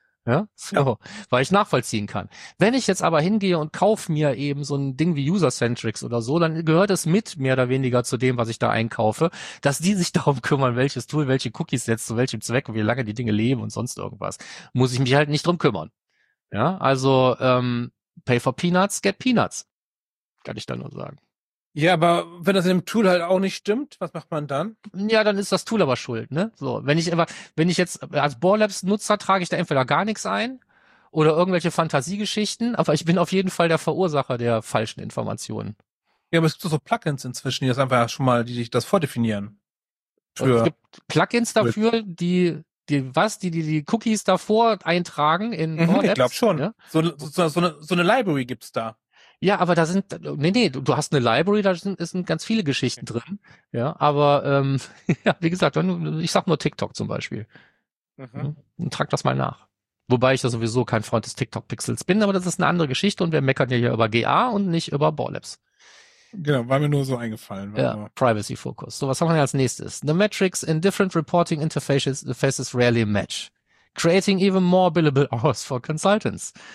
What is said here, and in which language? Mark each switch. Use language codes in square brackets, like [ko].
[de] Ja, so, weil ich nachvollziehen kann. Wenn ich jetzt aber hingehe und kaufe mir eben so ein Ding wie User-Centrics oder so, dann gehört es mit mehr oder weniger zu dem, was ich da einkaufe, dass die sich darum kümmern, welches Tool, welche Cookies setzt, zu welchem Zweck, wie lange die Dinge leben und sonst irgendwas. Muss ich mich halt nicht drum kümmern. [en] Ja, also pay for peanuts, get peanuts. [de] Kann ich da nur sagen. Ja, aber wenn das in dem Tool halt auch nicht stimmt, was macht man dann? Ja, dann ist das Tool aber schuld, ne? So, wenn ich jetzt als Borlabs-Nutzer trage ich da entweder gar nichts ein oder irgendwelche Fantasiegeschichten, aber ich bin auf jeden Fall der Verursacher der falschen Informationen. Ja, aber es gibt so Plugins inzwischen, die das einfach schon mal, die sich das vordefinieren. Es gibt Plugins dafür, die Cookies davor eintragen in Borlabs. Ich glaube schon. Ja? So eine Library gibt's da. Ja, aber da sind, du hast eine Library, da sind ganz viele Geschichten drin. Ja, aber wie gesagt, ich sag nur TikTok zum Beispiel. Mhm. Und trag das mal nach. Wobei ich ja sowieso kein Freund des TikTok-Pixels bin, aber das ist eine andere Geschichte und wir meckern ja hier über GA und nicht über Borlabs. Genau, war mir nur so eingefallen. Ja, Privacy Focus. So, was haben wir als nächstes? [en] The metrics in different reporting interfaces rarely match. Creating even more billable hours for consultants.